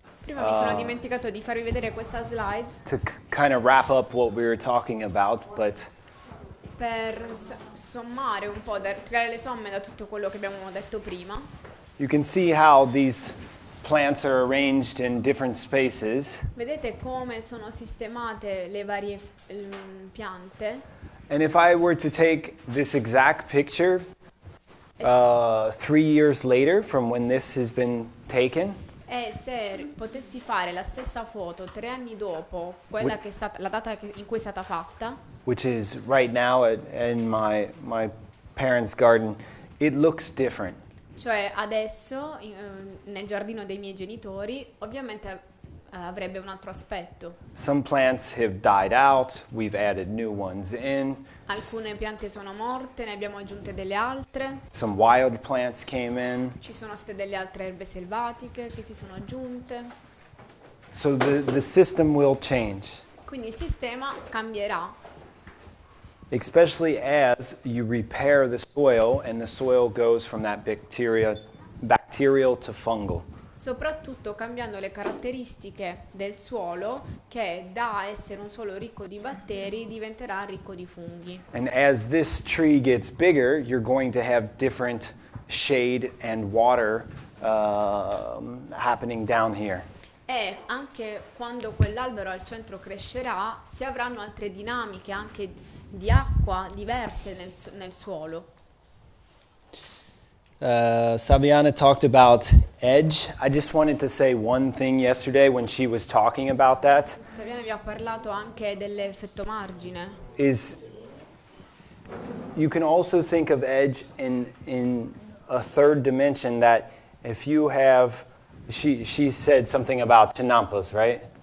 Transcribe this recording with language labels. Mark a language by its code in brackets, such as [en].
[it] Prima mi sono dimenticato di farvi vedere questa slide. [en] To kind of wrap up what we were talking about, but [it] per sommare un po', tirare le somme da tutto quello che abbiamo detto prima. [en] You can see how these plants are arranged in different spaces. [it] Vedete come sono sistemate le varie piante? [en] And if I were to take this exact picture 3 years later from when this has been taken. [it] E se potessi fare la stessa foto 3 anni dopo quella che è stata la data in cui è stata fatta. [en] Which is right now in my parents' garden, it looks different. [it] Cioè adesso nel giardino dei miei genitori ovviamente avrebbe un altro aspetto. [en] Some plants have died out, we've added new ones in. [it] Alcune piante sono morte, ne abbiamo aggiunte delle altre. [en] Some wild plants came in. [it] Ci sono state delle altre erbe selvatiche che si sono aggiunte. [en] So the system will change. [it] Quindi il sistema cambierà. [en] Especially as you repair the soil and the soil goes from that bacterial to fungal. [it] Soprattutto cambiando le caratteristiche del suolo che da essere un suolo ricco di batteri diventerà ricco di funghi. [en] And as this tree gets bigger, you're going to have different shade and water happening down here. [it] E anche quando quell'albero al centro crescerà, si avranno altre dinamiche anche di acqua diverse nel suolo. [en] Saviana talked about edge. I just wanted to say one thing yesterday when she was talking about that. [it] Saviana vi ha parlato anche dell'effetto margine. [en] Is you can also think of edge in a third dimension, that if you have she said something about chinampas, right?